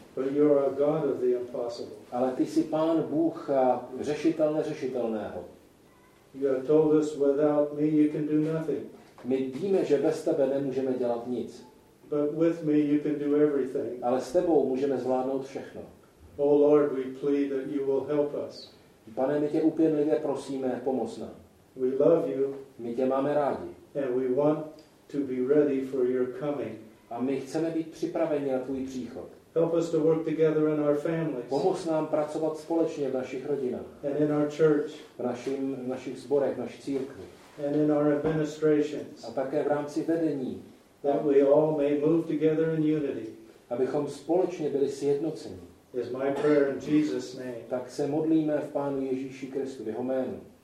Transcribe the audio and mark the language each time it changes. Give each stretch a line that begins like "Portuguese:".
English: But you are a God of the impossible.
Czech: Ale ty jsi Pán Bůh řešitelné řešitelného.
English: You have told us without me you can do nothing.
Czech: My víme, že bez tebe nemůžeme dělat nic.
English: But with me you can do everything.
Czech: Ale s tebou můžeme zvládnout všechno.
English: Oh Lord, we plead that you will help us.
Czech: Pane, my tě úpěnlivě prosíme, pomoz nám.
English: We love you.
Czech: My tě máme rádi.
English: And we want to be ready for your coming.
Czech: A my chceme být připraveni na tvůj příchod.
English: Help us to work together in our families.
Czech: Pomoz nám pracovat společně v našich rodinách.
English: And in our church.
Czech: V našich zborech, v naší církvi.
English: And in our administrations.
Czech: A také v rámci vedení.
English: That we all may move together in unity.
Czech: Abychom společně byli sjednoceni.
English: Is my prayer in Jesus' name.
Czech: Tak se modlíme v Pánu Ježíši Kristu, v jeho jménu.